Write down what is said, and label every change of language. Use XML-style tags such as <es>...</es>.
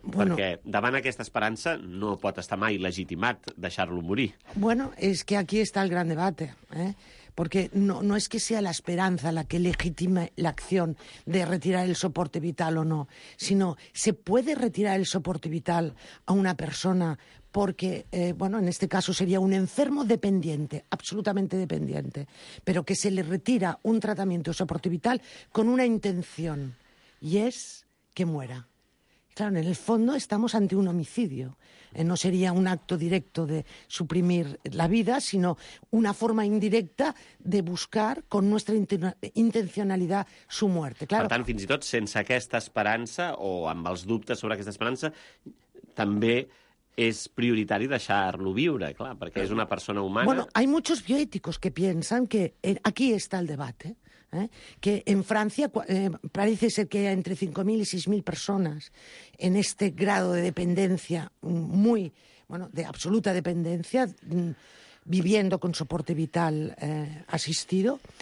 <ca>Bueno, perquè davant aquesta esperança no pot estar mai legitimat deixar-lo morir.</ca> <es>Bueno, es que aquí está el gran debate, ¿eh? Porque no es que sea la esperanza la que legitime la acción de retirar el soporte vital o no, sino se puede retirar el soporte vital a una persona porque, bueno, en este caso sería un enfermo dependiente, absolutamente dependiente, pero que se le retira un tratamiento de soporte vital con una intención, y es... que muera. Claro, en el fondo estamos ante un homicidio. No sería un acto directo de suprimir la vida, sino una forma indirecta de buscar con nuestra intencionalidad su muerte. Claro.</es> <ca>Per tant, fins i tot sense aquesta esperança o amb els dubtes sobre aquesta esperança, també és prioritari deixar-lo viure, clar, perquè és una persona humana.</ca> <es>Bueno, hay muchos bioéticos que piensan que aquí está el debate. Que en Francia parece ser que hay entre 5.000 y 6.000 personas en este grado de dependencia, de absoluta dependencia, viviendo con soporte vital asistido.</es>